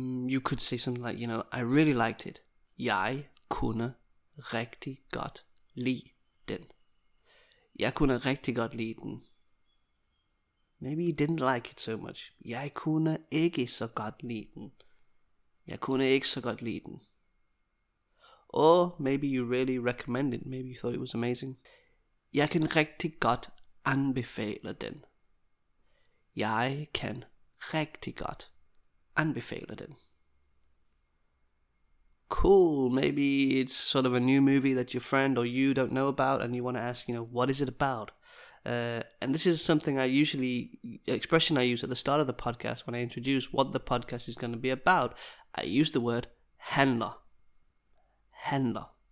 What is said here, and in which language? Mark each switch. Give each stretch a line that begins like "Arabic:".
English: You could say something like, you know, I really liked it.
Danish: Jeg kunne rigtig godt lide den. Jeg kunne rigtig godt lide den.
English: Maybe you didn't like it so much.
Danish: Jeg kunne ikke så godt lide den. Jeg kunne ikke så godt lide den.
English: Or maybe you really recommend it. Maybe you thought it was amazing.
Danish: Jeg kan rigtig godt anbefale den. Jeg kan rigtig godt anbefale den.
English: Cool. Maybe it's sort of a new movie that your friend or you don't know about and you want to ask, you know, what is it about? And this is something I usually, expression I use at the start of the podcast when I introduce what the podcast is going to be about. I use the word handler. Handler.